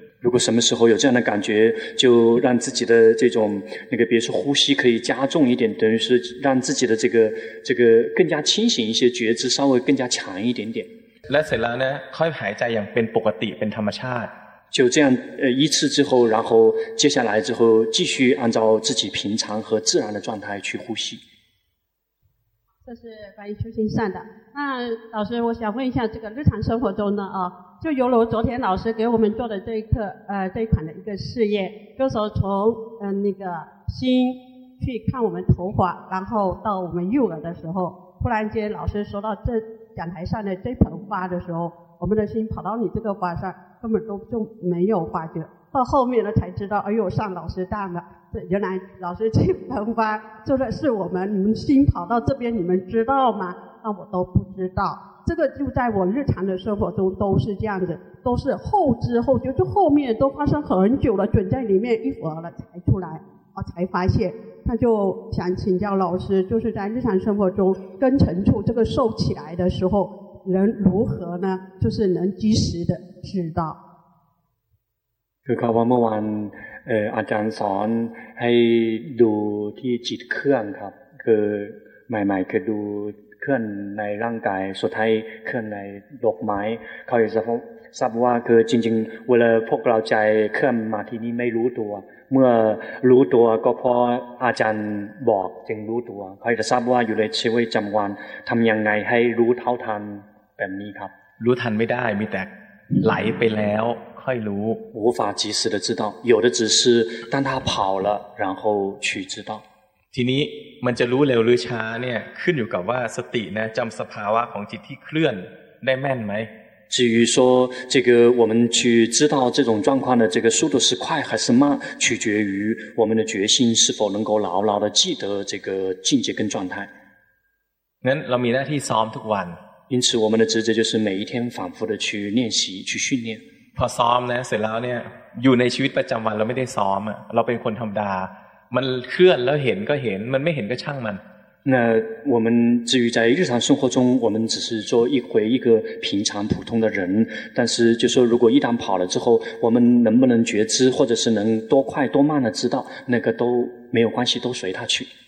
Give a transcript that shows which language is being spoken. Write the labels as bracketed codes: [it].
[zh] 如果什么时候有这样的感觉就让自己的这种那个比如说呼吸可以加重一点等于是让自己的这个更加清醒一些觉知稍微更加强一点点 [th] และเสร็จแล้วนะค่อยหายใจอย่างเป็นปกติเป็นธรรมชาติ [zh] 就这样一次之后然后接下来之后继续按照自己平常和自然的状态去呼吸这是关于修行善的那老师我想问一下这个日常生活中呢就犹如昨天老师给我们做的这一课这一款的一个试验就是说从那个心去看我们头发然后到我们右耳的时候突然间老师说到这讲台上的这盆花的时候我们的心跑到你这个法上，根本都就没有发觉。到后面呢才知道，哎呦，上老师当了，这原来老师这方法就算是我们，你们心跑到这边，你们知道吗？那我都不知道。这个就在我日常的生活中都是这样子，都是后知后觉，就后面都发生很久了，卷在里面一会儿了才出来，我才发现。那就想请教老师，就是在日常生活中根尘处这个受起来的时候，能如何呢？就是能及时的知道。 [th] คือเขาว่าเมื่อวานอาจารย์สอนให้ดูที่จิตเคลื่อนครับคือใหม่ๆคือดูเคลื่อนในร่างกายสุดท้ายเคลื่อนในดอกไม้เขาจะทราบว่าคือจริงๆเวลาพวกเราใจเคลื่อนมาที่นี่ไม่รู้ตัวเมื่อรู้ตัวก็เพราะอาจารย์บอกจึงรู้ตัวเขาจะทราบว่าอยู่ในชีวิตประจำวันทำยังไงให้รู้เท่าทันแบบนี้ครับ รู้ทันไม่ได้มีแต่ไหลไปแล้ว [zh] 快如无法及时的知道，有的只是当他跑了，然后去知道。 [th] ทีนี้มันจะรู้เร็วหรือช้าเนี่ยขึ้นอยู่กับว่าสตินะจำสภาวะของจิตที่เคลื่อนได้แม่นไหม？ [zh] 至于说这个我们去知道这种状况的这个速度是快还是慢，取决于我们的决心是否能够牢牢的记得这个境界跟状态。 [th] งั้นเรามีหน้าที่ซ้อมทุกวัน。 [zh] 因此我们的职责就是每一天反复的去练习去训练。 [th] พอซ้อมนะเสร็จแล้วเนี่ยอยู่ในชีวิตประจำวันเราไม่ได้ซ้อมอ่ะเราเป็นคนธรรมดามันเคลื่อนแล้วเห็นก็เห็นมันไม่เห็นก็ช่างมัน [zh] 那我们至于在日常生活中我们只是做一回一个平常普通的人但是就说如果一旦跑了之后我们能不能觉知或者是能多快多慢的知道那个都没有关系都随他去